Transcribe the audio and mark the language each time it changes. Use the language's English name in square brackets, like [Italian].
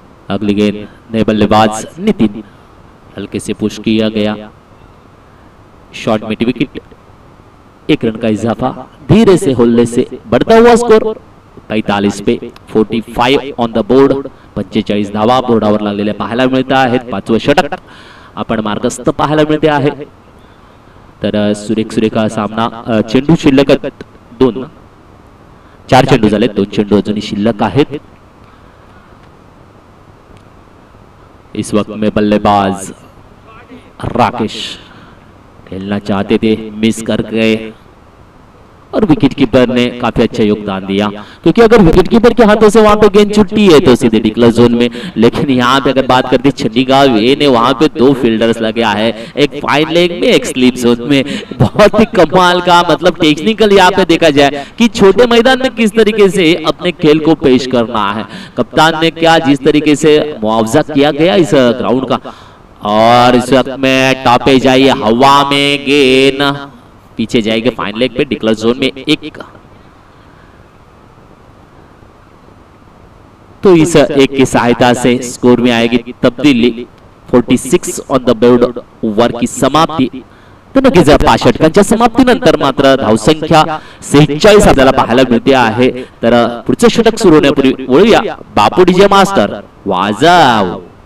[Hindi] अगली गेंद नए बल्लेबाज नितिन हल्के से पुश किया गया शॉर्ट मिड विकेट एक रन का इजाफा. धीरे से होल्ले से बढ़ता हुआ स्कोर 45 पे 45 ऑन द बोर्ड. [Marathi] 45 धावा बोर्डावर लागलेले पाहायला मिळत आहेत. पाचवं षटक आपण मार्गस्थ पाहायला मिळते आहे. तर सुरेख सुरेखा सामना. चेंडू शिल्लक दोन चार चेंडू झाले दोन चेंडू अजूनही शिल्लक आहेत. [Hindi] इस वक्त में बल्लेबाज राकेश खेलना चाहते थे मिस कर गए और विकेट कीपर ने काफी अच्छा योगदान दिया क्योंकि अगर विकेट कीपर के हाथों से वहां पे गेंद छुट्टी है तो सीधे डिक्लेयर जोन में. लेकिन यहां पे अगर बात करते छन्नी गांव ए ने वहां पे दो फील्डर्स लगे है एक फाइन लेग में एक स्लिप जोन में. बहुत ही कमाल का मतलब टेक्निकल यहाँ पे देखा जाए कि छोटे मैदान में किस तरीके से अपने खेल को पेश करना है. कप्तान ने क्या जिस तरीके से मुआवजा किया गया इस ग्राउंड का. और इस वक्त में टापे जाइए हवा में गेंद पीछे जाएगी फाइन लेग पे डिक्लेयर जोन में एक. तो इस एक की सहायता से स्कोर में आएगी तब्दीली 46 ऑन द बोर्ड ओवर की समाप्ति. [Marathi] तो नक्कीच पाच षटकांच्या समाप्तीनंतर मात्र धावसंख्या 46 आपल्याला पाहायला मिळते आहे. तर पुढचं षटक सुरू होण्यापूर्वी वळूया बापू डीजे मास्टर वाजव.